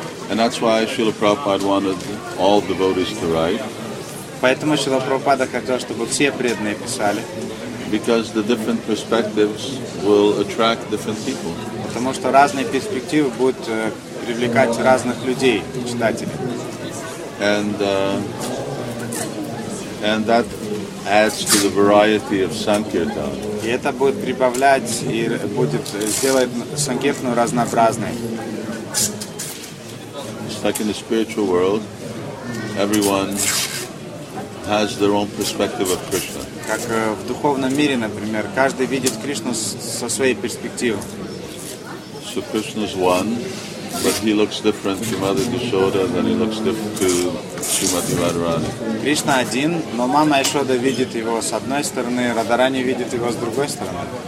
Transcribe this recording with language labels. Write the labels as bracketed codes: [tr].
[en] And that's why Srila Prabhupada wanted all devotees to write. [ru] Поэтому Шрила Прабхупада хотел, чтобы все преданные писали. [en] Because the different perspectives will attract different people. [ru] Потому что разные перспективы будут привлекать разных людей, читателей. [en] And that adds to the variety of sankirtan. [ru] И это будет прибавлять и будет сделать санкиртану разнообразной. [en] Like in the spiritual world, everyone has their own perspective of Krishna. [ru] Как в духовном мире, например, каждый видит Кришну со своей перспективы. [en] So Krishna is one, but he looks different to Mother Yashoda than he looks different to Srimati Radharani. [ru] Кришна один, но мама Яшода видит его с одной стороны, Радарани видит его с другой стороны.